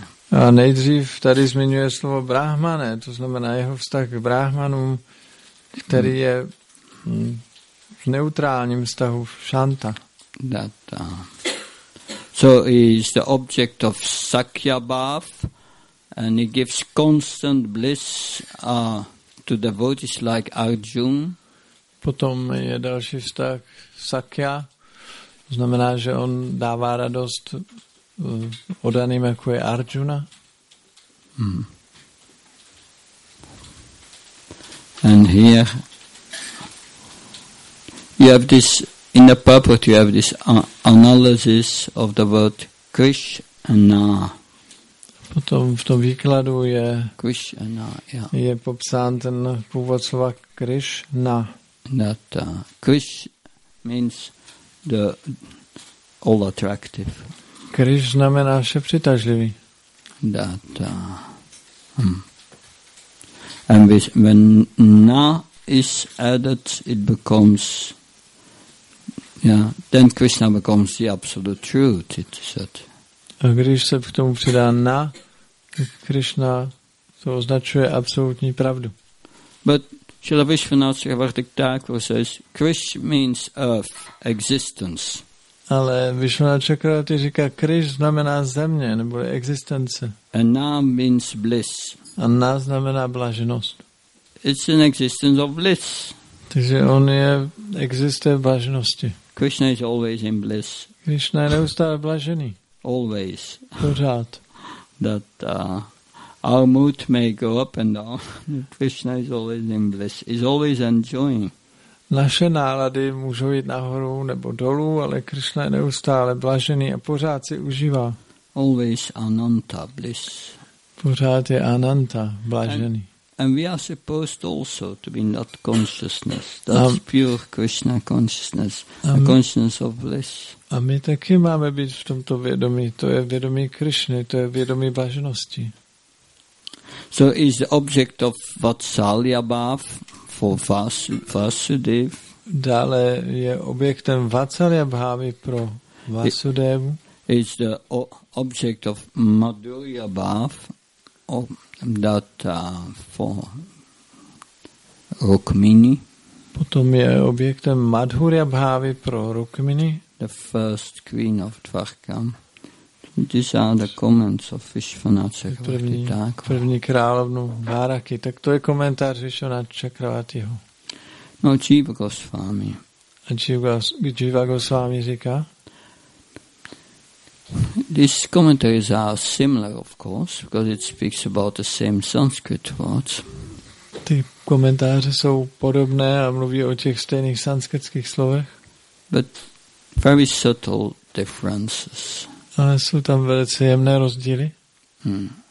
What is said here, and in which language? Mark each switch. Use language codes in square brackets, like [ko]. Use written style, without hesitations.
[cs] A nejdřív tady zmiňuje slovo Brahmane, to znamená jeho vztah k Brahmanům, který je v neutrálním vztahu v Shanta. [en] That, so he is the object of Sakya Bhav and he gives constant bliss to devotees like Arjun. [cs] Potom je další vztah Sakya, to znamená, že on dává radost odaným, jako je Arjuna. [en] And here you have this in the purport. You have this analysis of the word Krishna. [cs] Potom v tom výkladu je [en] Krishna, yeah. [cs] Je popsán ten původ slova Krishna. [en] That Krishna means the all attractive. [cs] Krishna znamená vše přitažlivý. [en] That and this, when na is added, it becomes, yeah, then Krishna becomes the absolute truth, it is said. [cs] A když se k tomu přidá na, Krishna to označuje absolutní pravdu. [en] But Srila Vishvanatha Chakravarti Thakura says, Krishna means earth, existence. [cs] Ale Vishvanatha Chakravarti říká, Krishna znamená země, nebo existence. [en] And na means bliss. [cs] A na znamená blaženost. [en] It's an existence of bliss. [cs] Takže on je, existuje v blaženosti. [en] Krishna is always in bliss. [cs] Krishna je neustále blažený. [en] Always. [cs] Pořád. [en] That our mood may go up and down. Krishna is always in bliss. He's always enjoying. [cs] Naše nálady můžou jít nahoru nebo dolů, ale Krishna je neustále blažený a pořád si užívá. [en] Always ananta bliss. [cs] Pořád je ananta blažený. [en] And we are supposed also to be in that consciousness. That's pure Krishna consciousness. A consciousness of bliss. [cs] A my taky máme být v tomto vědomí. To je vědomí Krishny. To je vědomí blaženosti. [en] So is the object of Vatsalya Bhav for Vasudev. [cs] Dále je objektem Vatsalya Bhavy pro Vasudevu. [en] Is the object of Madhurya Bhav of that for Rukmini. [cs] Potom je objektem Madhurya Bhavy pro Rukmini. [en] The first queen of Dvarka. These are the comments of Vishvanatha Chakravarti Thakura. [cs] První královnu Dvaraky. Tak to je komentář Vishvanatha Chakravartiho. [en] No, Jiva Goswami. [cs] A Jiva Goswami říká? [en] These commentaries are similar, of course, because it speaks about the same Sanskrit words. [cs] Ty komentáře jsou podobné a mluví o těch stejných sanskritských slovech. [en] But very subtle differences. [cs] Ale jsou tam velice jemné rozdíly. Hmm.